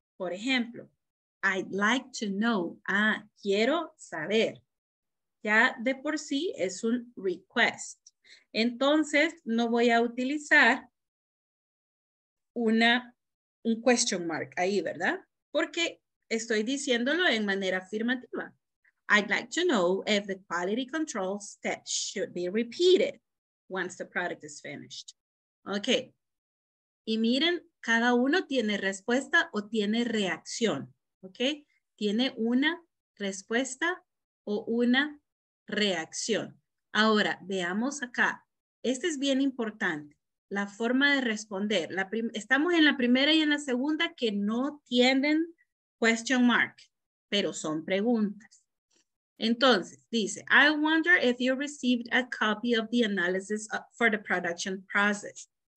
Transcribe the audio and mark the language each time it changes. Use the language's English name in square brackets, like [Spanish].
[Spanish] Por ejemplo, [English] I'd like to know. [Spanish] Ah, quiero saber. Ya de por sí es un request. Entonces, no voy a utilizar un question mark ahí, ¿verdad? Porque estoy diciéndolo en manera afirmativa. [English] I'd like to know if the quality control steps should be repeated once the product is finished. Ok. [Spanish] Y miren, cada uno tiene respuesta o tiene reacción. Ok. Tiene una respuesta o una reacción. Ahora, veamos acá. Este es bien importante. La forma de responder. Estamos en la primera y en la segunda que no tienen question mark, pero son preguntas. Entonces, dice, [English] I wonder if you received a copy of the analysis for the production process.